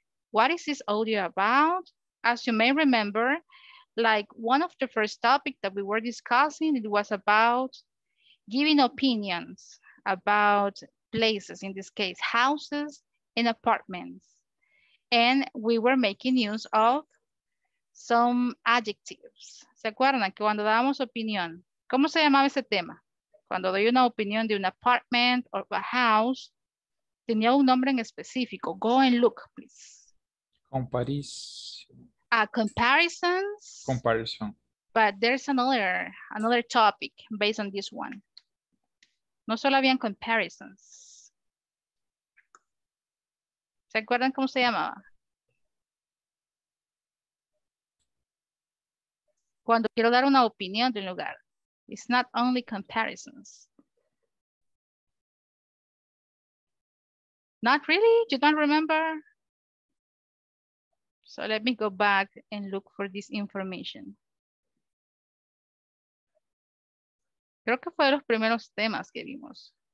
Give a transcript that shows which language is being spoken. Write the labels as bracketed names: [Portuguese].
[English] What is this audio about? As you may remember, like one of the first topics that we were discussing, it was about giving opinions about places, in this case, houses and apartments. And we were making use of some adjectives. [Spanish] ¿Se acuerdan que cuando dábamos opinión? ¿Cómo se llamaba ese tema? Cuando doy una opinión de un [English] apartment or a house, [Spanish] tenía un nombre en específico. [English] Go and look, please. Comparisons. Comparison. But there's another topic based on this one. [Spanish] No solo habían comparisons. ¿Se acuerdan cómo se llamaba? Cuando quiero dar una opinión de un lugar. [English] It's not only comparisons. Not really? You don't remember? So let me go back and look for this information. [Spanish] Creo que fue de los primeros temas que vimos.